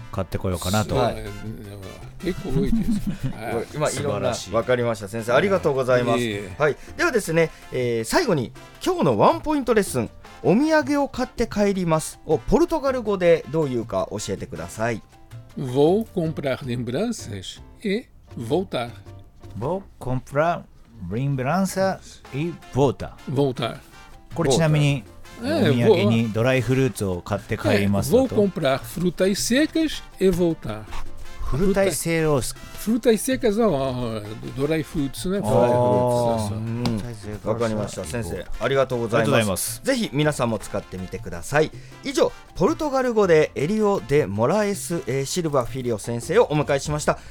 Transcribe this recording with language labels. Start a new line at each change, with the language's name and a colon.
Japanese: 買ってこようかなと。結構多いです今いろんな。分かりました先生、ありがとうございます。はい、ではですね、最後に今日のワンポイントレッスン、お土産を買って帰りますをポルトガル語でどういうか教えてください。
Portuguese: Vou comprar lembranças e voltar. Vou comprar lembranças e voltar. Voltar.
Japanese: これちなみに、お土産にドライフルーツを買って帰りますと。
Portuguese: Vou comprar frutas secas e voltar. Frutas secas.
Japanese: Frutas secas はドライフルーツね。わかりました先生、ありがとうございます。ぜひ皆さんも使ってみてください。以上、ポルトガル語でエリオ・デ・モラエス・シルバ・フィリオ先生をお迎えしました。